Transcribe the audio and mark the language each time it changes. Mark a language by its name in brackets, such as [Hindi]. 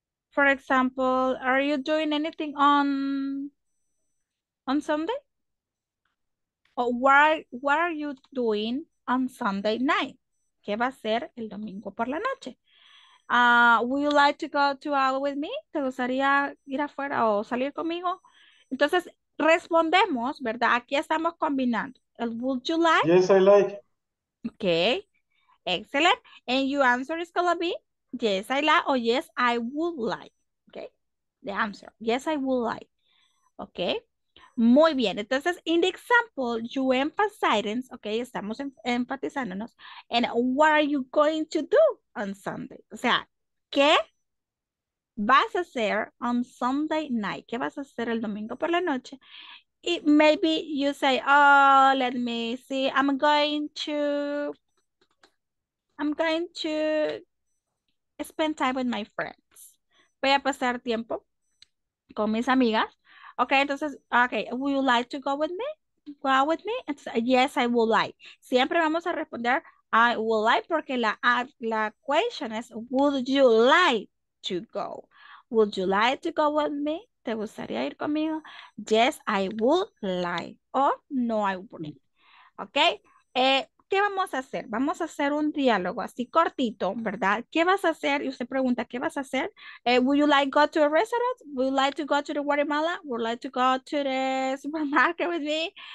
[English] For example, are you doing anything on Sunday? What are you doing on Sunday night? [Spanish] ¿Qué va a ser el domingo por la noche? [English] Would you like to go to out with me? [Spanish] ¿Te gustaría ir afuera o salir conmigo? Entonces, respondemos, ¿verdad? Aquí estamos combinando. [English] Would you like? Yes, I like. Okay, excellent. And your answer is going to be yes, I like or yes, I would like. Okay, the answer. Yes, I would like. Okay. [Spanish] Muy bien, entonces, [English] in the example, you emphasize, ok, [Spanish] estamos enfatizándonos, [English] and what are you going to do on Sunday? [Spanish] O sea, ¿qué vas a hacer [English] on Sunday night? [Spanish] ¿Qué vas a hacer el domingo por la noche? [English] It, maybe you say, oh, let me see, I'm going to spend time with my friends. [Spanish] Voy a pasar tiempo con mis amigas. Okay, entonces, okay, [English] would you like to go with me? [Spanish] Go out with me? Entonces, [English] yes, I would like. [Spanish] Siempre vamos a responder, [English] I would like, [Spanish] porque la [English] question is, would you like to go? Would you like to go with me? [Spanish] ¿Te gustaría ir conmigo? [English] Yes, I would like. [Spanish] O no, [English] I wouldn't. [Spanish] Okay, ¿qué vamos a hacer? Vamos a hacer un diálogo así cortito, ¿verdad? ¿Qué vas a hacer? Y usted pregunta, ¿qué vas a hacer? [English] Would you like to go to a restaurant? Would you like to go to the Guatemala? Would you like to go to the supermarket with me?